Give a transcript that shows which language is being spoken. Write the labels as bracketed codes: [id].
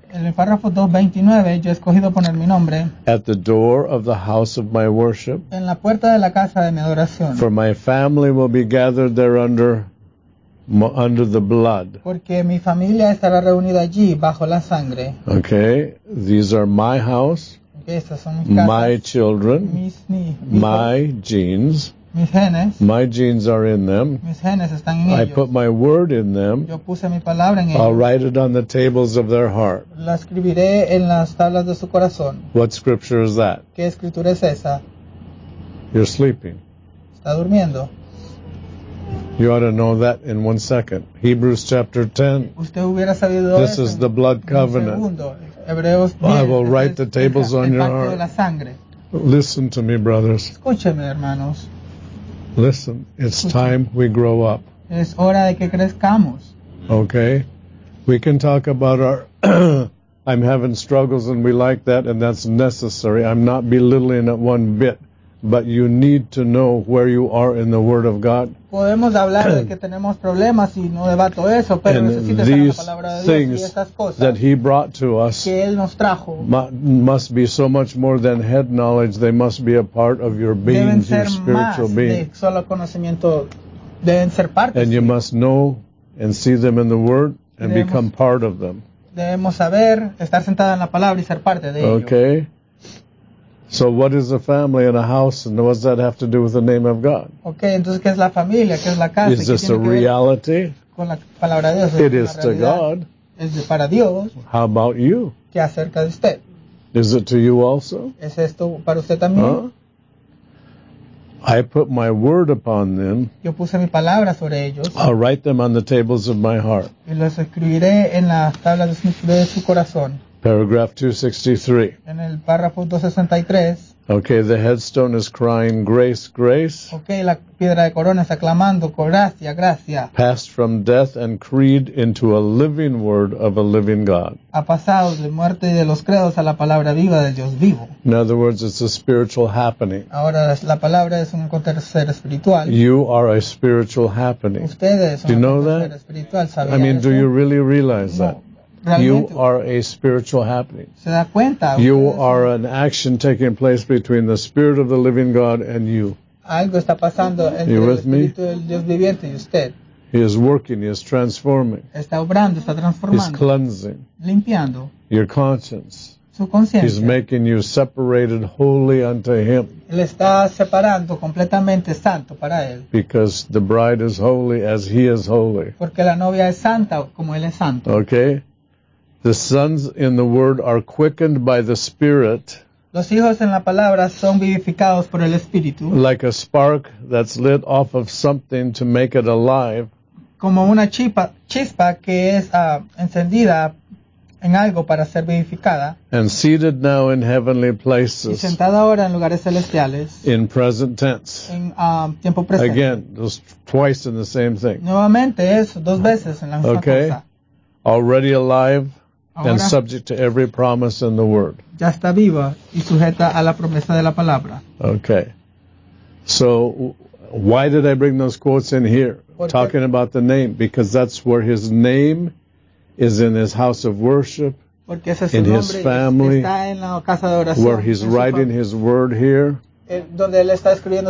[es] En el párrafo 229, yo he escogido poner mi nombre. [en] At the door of the house of my worship. [es] En la puerta de la casa de mi adoración. [en] For my family will be gathered there under the blood. [es] Porque mi familia estará reunida allí bajo la sangre. [en] Okay, these are my house. [es] Okay, estas son mis casas, [en] my children. [es] Mis hijos, [en] my genes. [es] Mis genes. [en] My genes are in them. [es] Mis genes están en ellos. [en] I put my word in them. [es] Yo puse mi palabra en ellos. [en] I'll write it on the tables of their heart. [es] La escribiré en las tablas de su corazón. [en] What scripture is that? [es] ¿Qué escritura es esa? [en] You're sleeping. [es] Está durmiendo. [en] You ought to know that in one second. Hebrews chapter 10. [es] Usted hubiera sabido [en] this is the blood covenant. [es] Hebreos 10. [en] I will write the tables on your heart. [es] De la sangre. [en] Listen to me, brothers. [es] Escúcheme, hermanos. [en] Listen, it's time we grow up. [es] Es hora de que crezcamos. [en] Okay? We can talk about our I'm having struggles and we like that and that's necessary. I'm not belittling it one bit. But you need to know where you are in the Word of God. [es] Podemos hablar de que tenemos problemas y no debato eso, pero necesitas saber la palabra de Dios y estas cosas [en] that he brought to us [es] que él nos trajo [en] must be so much more than head knowledge. They must be a part of your being, [es] deben ser [en] your spiritual [es] más [en] being. [es] De solo conocimiento. Deben ser partes. [en] And you must know and see them in the Word and [es] debemos, [en] become part of them. [es] Debemos saber, estar sentada en la palabra y ser parte de ello. [en] Okay. So what is a family and a house, and what does that have to do with the name of God? [es] Okay, entonces qué es la familia, qué es la casa. [en] Is this a reality? [es] Con la palabra de Dios. [en] It is to God. [es] Es de para Dios. [en] How about you? [es] ¿Qué acerca de usted? [en] Is it to you also? [es] ¿Es esto para usted también? Huh? [en] I put my word upon them. [es] Yo puse mi palabra sobre ellos. [en] I'll write them on the tables of my heart. [es] Y los escribiré en las tablas de su corazón. [en] Paragraph 263. [es] En el párrafo 263. [en] Okay, the headstone is crying, grace, grace. [es] Okay, la piedra de corona está clamando, gracia, gracia. [en] Passed from death and creed into a living word of a living God. [es] Ha pasado de muerte de los credos a la palabra viva de Dios vivo. [en] In other words, it's a spiritual happening. [es] Ahora la palabra es un acontecer espiritual. [en] You are a spiritual happening. [es] Ustedes son [en] do you know that? [es] Espiritual. [en] I mean, [es] eso? [en] Do you really realize [es] no. [en] that? You are a spiritual happening. [es] ¿Se da cuenta? [en] You are an action taking place between the Spirit of the living God and you. [es] Algo está pasando entre [en] you with [es] el Espíritu del Dios viviente y usted. [en] He is working, he is transforming. [es] Está obrando, está transformando. [en] He's cleansing. [es] Limpiando. [en] Your conscience. [es] Su conciencia. [en] He's making you separated wholly unto him. [es] Él está separando completamente santo para él. [en] Because the bride is holy as he is holy. [es] Porque la novia es santa como él es santo. [en] Okay? The sons in the word are quickened by the Spirit. [es] Los hijos en la palabra son vivificados por el Espíritu. [en] Like a spark that's lit off of something to make it alive. [es] Como una chispa que es encendida en algo para ser vivificada. [en] And seated now in heavenly places. [es] Y sentada ahora en lugares celestiales. [en] In present tense. [es] En tiempo presente. [en] Again, just twice in the same thing. [es] Nuevamente eso, dos veces en la misma [en] okay. [es] cosa. [en] Already alive. And subject to every promise in the Word. [es] Ya está viva y sujeta a la promesa de la palabra. [en] Okay. So, why did I bring those quotes in here? Talking about the name. Because that's where his name is in his house of worship. [es] Porque ese es [en] in his family. [es] Está en la casa de oración, [en] where he's writing his Word here. [es] Donde él está escribiendo